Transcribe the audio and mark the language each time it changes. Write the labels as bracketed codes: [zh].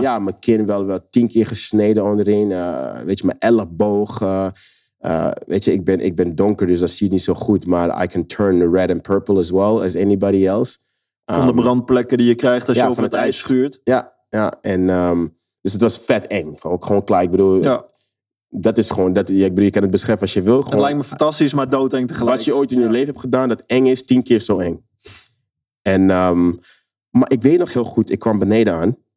[nl] Kin, ja, mijn kin wel 10 keer gesneden onderin. Weet je, mijn elleboog. Weet je, ik ben donker, dus dat zie je niet zo goed. Maar [en] I can turn red and purple as well as anybody else. [nl] Van de brandplekken die je krijgt als je over het ijs schuurt. Ja. En dus het was vet eng. Gewoon klaar. Ik bedoel, ja. Dat is gewoon, je kan het beschrijven als je wil. Gewoon, het lijkt me fantastisch, maar doodeng tegelijk. Wat je ooit in je leven hebt gedaan, dat eng is, 10 keer zo eng. En, maar ik weet nog heel goed, ik kwam beneden aan.